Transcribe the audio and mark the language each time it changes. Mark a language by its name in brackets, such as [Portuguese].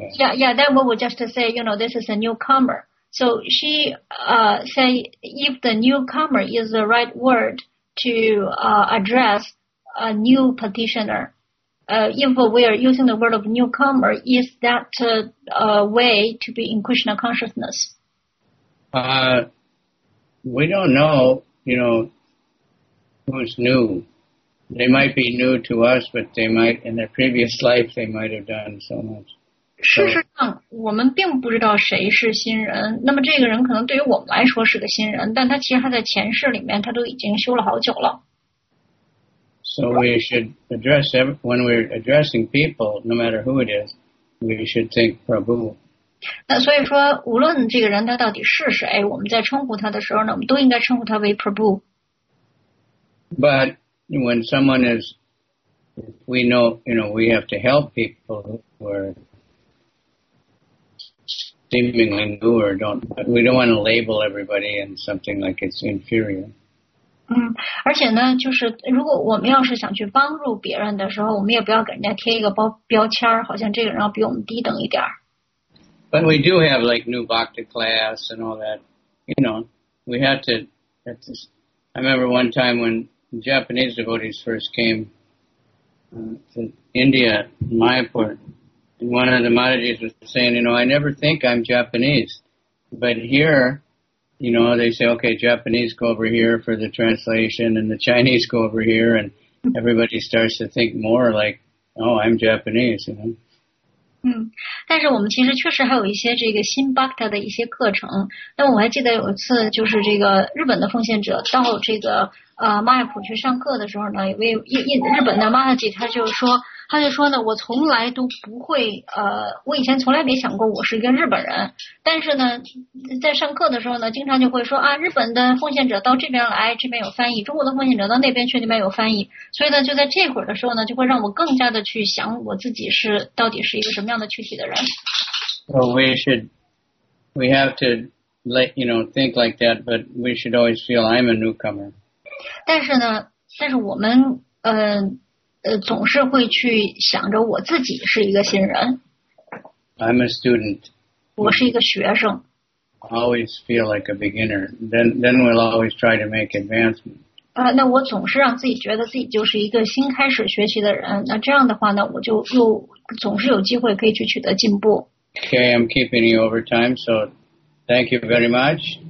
[English] Yeah, then we would just say, you know, this is a newcomer. So she say if the newcomer is the right word to address a new petitioner, if we are using the word of newcomer, is that a way to be in Krishna consciousness? We don't know, you know, who's new. They might be new to us, but they might, in their previous life, they might have done so much. [Chinese] 事实上，我们并不知道谁是新人。那么这个人可能对于我们来说是个新人，但他其实他在前世里面他都已经修了好久了。 [English] So we should address, when we're addressing people, no matter who it is, we should think Prabhu. [Chinese] 那所以说无论这个人他到底是谁，我们在称呼他的时候呢，我们都应该称呼他为 Prabhu。 [English] But when someone is, we know, you know, we have to help people who are seemingly new, or we don't want to label everybody in something like it's inferior。 [Chinese] 而且呢，就是如果我们要是想去帮助别人的时候，我们也不要给人家贴一个标签，好像这个人要比我们低等一点。 [English] But we do have like new bhakti class and all that, you know, we had to, I remember one time when Japanese devotees first came to India, Mayapur, and one of the Matajis was saying, you know, I never think I'm Japanese, but here, you know, they say, okay, Japanese go over here for the translation and the Chinese go over here and everybody starts to think more like, oh, I'm Japanese, you know. [Chinese] 但是我们其实确实还有一些这个新 Bhakta 的一些课程。但我还记得有一次，就是这个日本的奉献者到这个马雅普去上课的时候呢，有位日本的马雅吉，他就说呢，我从来都不会，我以前从来没想过我是一个日本人。但是呢，在上课的时候呢，经常就会说啊，日本的奉献者到这边来，这边有翻译；中国的奉献者到那边去，那边有翻译。所以呢，就在这会儿的时候呢，就会让我更加的去想我自己是到底是一个什么样的具体的人。 [English] Well, we have to let you know think like that, but we should always feel I'm a newcomer. [Chinese] 但是我们，总是会去想着我自己是一个新人。 [English] I'm a student. [Chinese] 我是一个学生。 [English] Always feel like a beginner. Then we'll always try to make advancement. [Chinese] 那我总是让自己觉得自己就是一个新开始学习的人。那这样的话呢，我就又总是有机会可以去取得进步。 [English] Okay, I'm keeping you over time, so thank you very much.